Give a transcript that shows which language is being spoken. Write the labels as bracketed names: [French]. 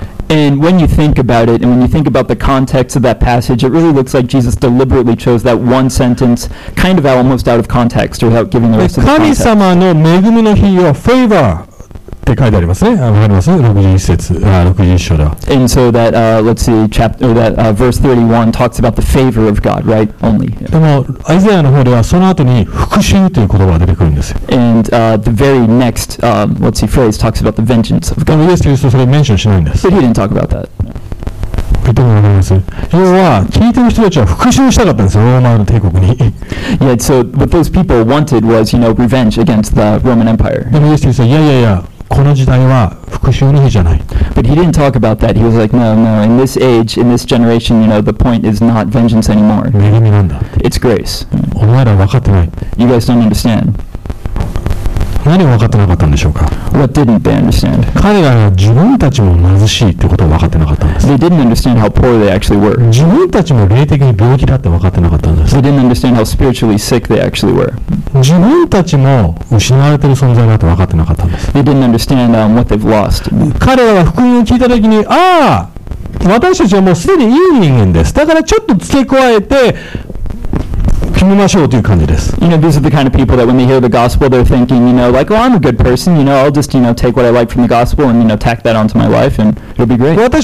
[English] And when you think about it, and when you think about the context of that passage, it really looks like Jesus deliberately chose that one sentence, kind of almost out of context, or without giving the rest of the context. [Japanese] 神様の恵みの日を favor って書いてありますね。わかります？61節、61章では。 [English] And so that, let's see, chapter, that, verse 31 talks about the favor of God, right? Only. [Japanese] でも、アイザヤの方ではその後に復讐という言葉が出てくるんですよ。And [English] the very next, let's see, phrase talks about the vengeance of God. [Japanese] でもイエス・キリストはそれをメンションしないんです。But [English] he didn't talk about that. [Japanese] 要は聞いてる人たちは復讐したかったんですよ、ローマの帝国に。 [English] Yeah, so what those people wanted was, you know, revenge against the Roman Empire. [Japanese] でもイエス・キリストは、いやいやいや、 [English] But he didn't talk about that. He was like, no, no, in this age, in this generation, you know, the point is not vengeance anymore. It's grace. You guys don't understand. [Japanese] 何を分かってなかったんでしょうか? [English] What didn't they understand? [Japanese] 彼らは自分たちも貧しいってことを分かってなかったんです。 [English] They didn't understand how poor they actually were. [Japanese] 自分たちも霊的に病気だって分かってなかったんです。 [English] They didn't understand how spiritually sick they actually were. [Japanese] 自分たちも失われてる存在だって分かってなかったんです。 [English] They didn't understand what they've lost. [Japanese] 彼らは福音を聞いた時に、 ああ、私たちはもうすでにいい人間です。だからちょっと付け加えて、 [English] You know, these are the kind of people that when they hear the gospel, they're thinking, you know, like, oh, I'm a good person, you know, I'll just, you know, take what I like from the gospel and, you know, tack that onto my life and it'll be great.